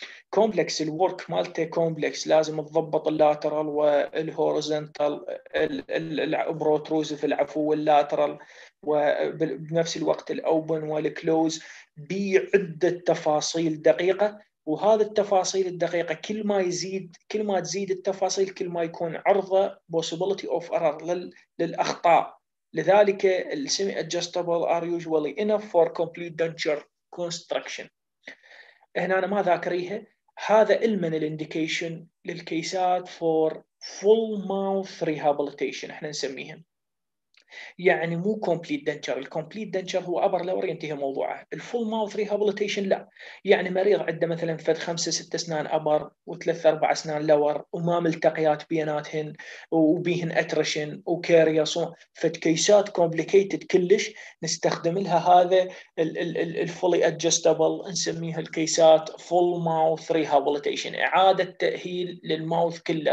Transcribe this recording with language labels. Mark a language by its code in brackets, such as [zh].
[ar] كومبلكس الورك مالتي كومبلكس، لازم تضبط اللاترال والهوريزونتال البروتروزف العفو واللاترال، وبنفس الوقت الأوبن والكلوز بعدة تفاصيل دقيقة، وهذه التفاصيل الدقيقة كل ما يزيد، كل ما تزيد التفاصيل كل ما يكون عرضة [en] possibility of error [ar] للأخطاء. لذلك السمي [en] adjustable are usually enough for complete denture construction. [ar] هنا أنا ما ذاكريها، هذا المن الانديكيشن للكيسات [en] for full mouth rehabilitation [ar] احنا نسميهم، يعني مو complete denture. الcomplete denture هو أبر لور ينتهي موضوعه، الfull mouth rehabilitation لا، يعني مريض عنده مثلا فد 5-6 أسنان أبر وثلاث أربع أسنان لور وما ملتقيات بيناتهن وبيهن أترشن وكارياس، فد كيسات complicated كلش نستخدم لها هذا الfully adjustable، نسميها الكيسات full mouth rehabilitation، إعادة تأهيل للماوث كله.